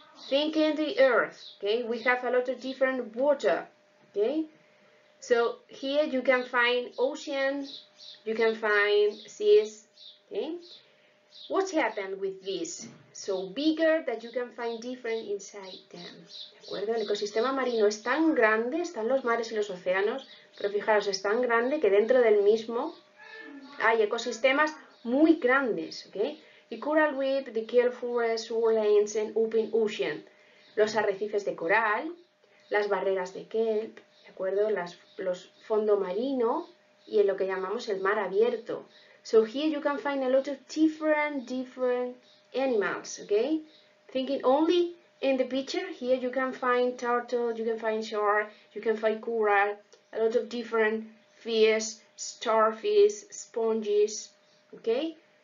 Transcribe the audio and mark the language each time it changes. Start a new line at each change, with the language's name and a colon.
English: Think in the earth, okay? We have a lot of different water. Okay, so here you can find ocean, you can find seas, okay? What happened with this? So bigger that you can find different inside them.
Spanish: ¿De acuerdo? El ecosistema marino es tan grande, están los mares y los océanos, pero fijaros, es tan grande que dentro del mismo hay ecosistemas muy grandes, okay?
English: The coral reef, the kelp forest, shorelines and open ocean.
Spanish: Los arrecifes de coral, las barreras de kelp, ¿de acuerdo? Los fondo marino y en lo que llamamos el mar abierto.
English: So here you can find a lot of different animals, okay? Thinking only in the picture, here you can find turtle, you can find shark, you can find coral, a lot of different fish, starfish, sponges, okay?